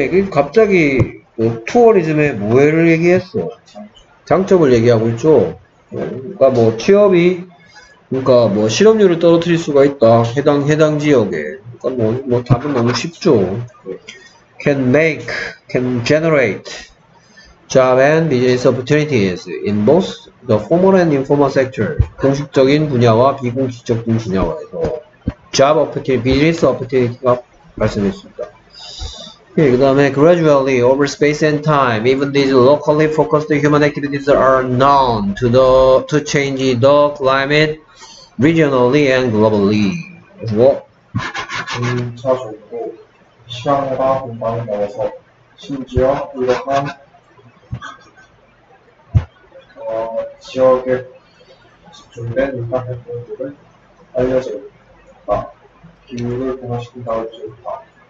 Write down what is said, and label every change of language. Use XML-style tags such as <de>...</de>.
<ko>갑자기 투어리즘의 뭐를 얘기했어? 장점을 얘기하고 있죠. 그러니까 뭐 취업이, 그러니까 뭐 실업률을 떨어뜨릴 수가 있다. 해당 지역에. 그러니까 뭐 답은 너무 쉽죠.</ko> <en>Can make, can generate job and business opportunities in both the formal and informal sector.</en> <ko>공식적인 분야와 비공식적인 분야에서</ko> <en>job opportunity, business opportunity</en> <ko>가 발생했습니다. 예, 그 다음에</ko> <en>gradually over space and time, even these locally focused human activities are known to change the climate regionally and globally.</en> <ko>뭐? 자주 있고 시간과 공간에 따라서 심지어 이러한 지역에 집중된 인간 활동들을 알려져 있다. 기후를 변화시킨다 할 수 있다.</ko>